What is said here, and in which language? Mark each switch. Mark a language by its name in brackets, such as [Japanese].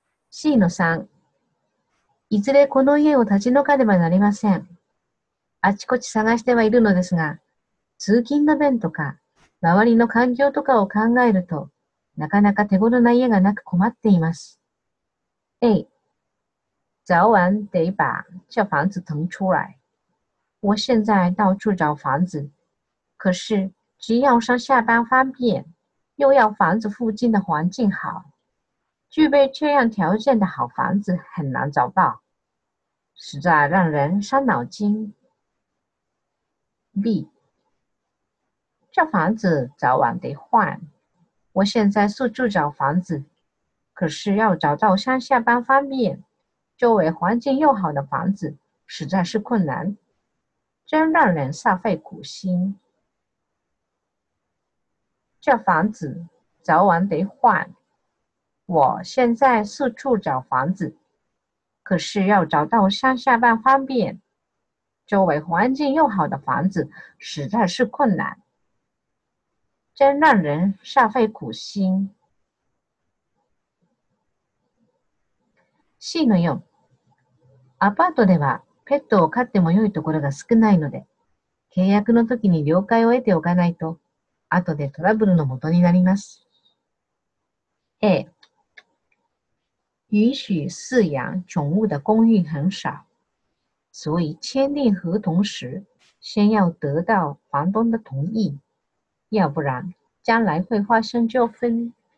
[Japanese] C の3、いずれこの家を立ち退かねばなりません。あちこち探してはいるのですが、通勤の便とか、周りの環境とかを考えると、なかなか手頃な家がなく困っています。 [Chinese] A、早晚得把这房子腾出来。我现在到处找房子，可是只要上下班方便，又要房子附近的环境好。具备这样条件的好房子很难找到，实在让人伤脑筋。 B， 这房子早晚得换。我现在四处找房子，可是要找到上下班方便，周围环境又好的房子，实在是困难，真让人煞费苦心。这房子早晚得换。我现在四处找房子，可是要找到上下班方便，周围环境又好的房子实在是困难，真让人煞费苦心。 [Japanese] C の4、アパートではペットを飼っても良いところが少ないので、契約の時に了解を得ておかないと、後でトラブルの元になります。 [Chinese] A、允许饲养宠物的公寓很少，所以签订合同时先要得到房东的同意，要不然将来会发生纠纷。